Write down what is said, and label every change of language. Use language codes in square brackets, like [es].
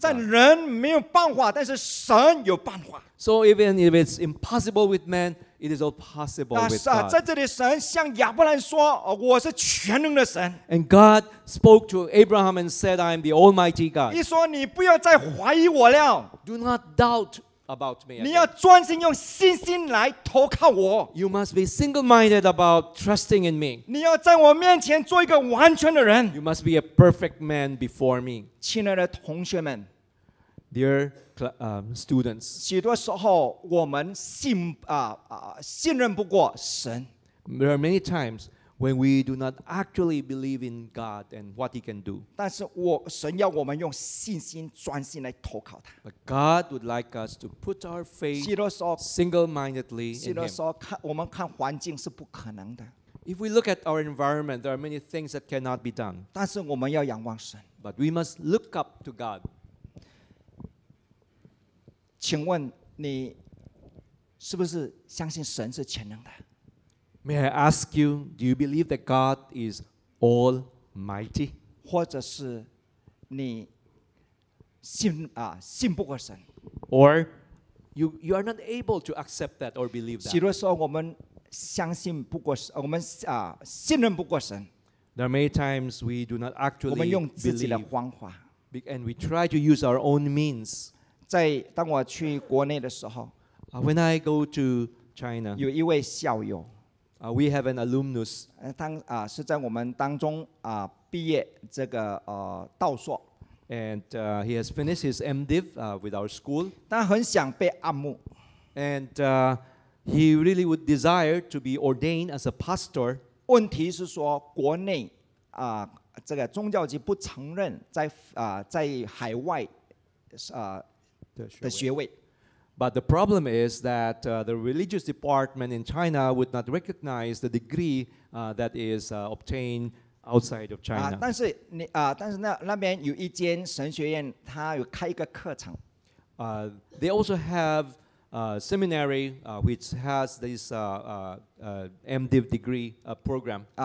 [zh] 在人没有办法, 但是神有办法。 [en] So even if it's impossible with man, it is all possible with God. [zh] 在这里神向亚伯兰说, 我是全能的神。 [en] And God spoke to Abraham and said, I am the almighty God. [zh] 你说你不要再怀疑我了。 [en] Do not doubt about me again. [zh] 你要专心用信心来投靠我。 [en] You must be single-minded about trusting in me. [zh] 你要在我面前做一个完全的人。 [en] You must be a perfect man before me. [zh] 亲爱的同学们, [en] dear students, [zh] 许多时候我们信任不过神。 [en] There are many times when we do not actually believe in God and what He can do. [zh] 但是我神要我们用信心专心来投靠他。 [en] But God would like us to put our faith single-mindedly in Him. [zh] 我们看环境是不可能的。 [en] If we look at our environment, there are many things that cannot be done. [zh] 但是我们要仰望神。 [en] But we must look up to God. [zh] 请问你是不是相信神是全能的？ [en] May I ask you, do you believe that God is almighty? [zh] 或者是你信啊信不过神 [en] ？Or you are not able to accept that or believe that? [zh] 许多时候我们相信不过神，我们啊信任不过神。 [en] There are many times we do not actually believe. [zh] 我们用自己的方法 [en] ，and we try to use our own means. [zh] 在当我去国内的时候 [en] ，When I go to China, [zh] 有一位校友。 [en] We have an alumnus. [zh] 是在我们当中毕业这个道硕。 [en] And he has finished his MDiv with our school. [zh] 但很想被按牧。 [en] And he really would desire to be ordained as a pastor. [zh] 问题是说国内这个宗教局不承认在在海外的学位。 [en] But the problem is that the religious department in China would not recognize the degree that is obtained outside of China. [zh] 但是你但是那边有一间神学院，它有开一个课程。 [en] They also have a seminary which has this MDiv degree program.